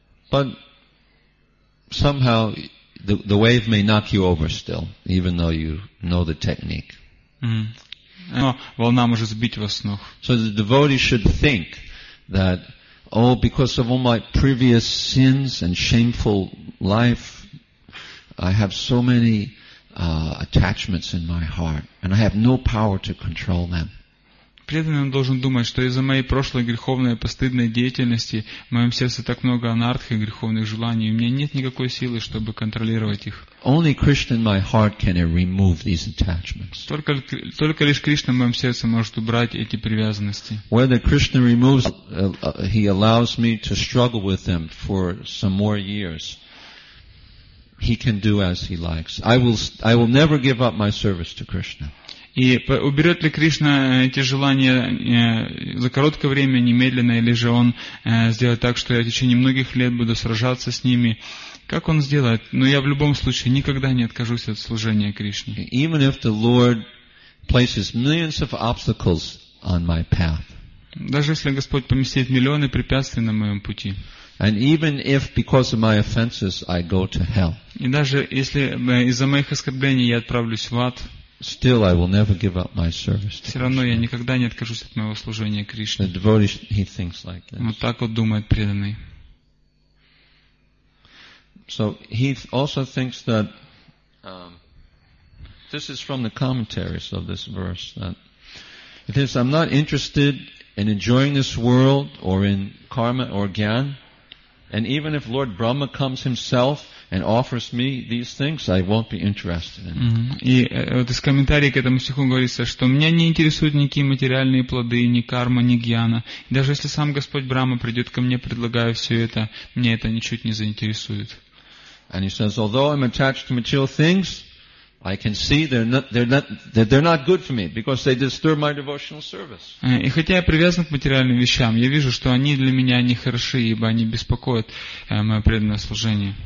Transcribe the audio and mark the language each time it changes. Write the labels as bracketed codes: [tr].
[en] But somehow the wave may knock you over still, even though you know the technique. [ru] Но волна может сбить вас с ног. [en] So the devotee should think that oh, because of all my previous sins and shameful life, I have so many attachments in my heart, and I have no power to control them. [ru] Преданный должен думать, что из-за моей прошлой греховной и постыдной деятельности в моем сердце так много анартхи, греховных желаний, и у меня нет никакой силы, чтобы контролировать их. [en] Only Krishna in my heart can remove these attachments. [ru] Только лишь Кришна в моем сердце может убрать эти привязанности. [en] Whether Krishna removes, he allows me to struggle with them for some more years. He can do as he likes. I will never give up my service to Krishna. [ru] И уберет ли Кришна эти желания за короткое время, немедленно, или же он сделает так, что я в течение многих лет буду сражаться с ними? Как он сделает? Но я в любом случае никогда не откажусь от служения Кришне. [en] Even if the Lord places millions of obstacles on my path. [ru] Даже если Господь поместит миллионы препятствий на моем пути. [en] And even if because of my offenses I go to hell. [ru] И даже если из-за моих оскорблений я отправлюсь в ад. [en] Still, I will never give up my service. [ru] Все равно я никогда не откажусь от моего служения Кришне. [en] The devotee, he thinks like this. [ru] Вот так вот думает преданный. [en] So he also thinks that this is from the commentaries of this verse. That it is, I'm not interested in enjoying this world or in karma or gyan. And even if Lord Brahma comes himself and offers me these things, I won't be interested in. [ru] И вот из комментариев к этому стиху говорится, что меня не интересуют никакие материальные плоды, ни карма, ни гьяна. Даже если сам Господь Брама придет ко мне, предлагая все это, меня это ничуть не заинтересует. [en] And he says, although I'm attached to material things, I can see they're not good for me because they disturb my devotional service. [ru] И хотя я привязан к материальным вещам, я вижу, что они для меня не хороши, ибо они беспокоят мое преданное служение.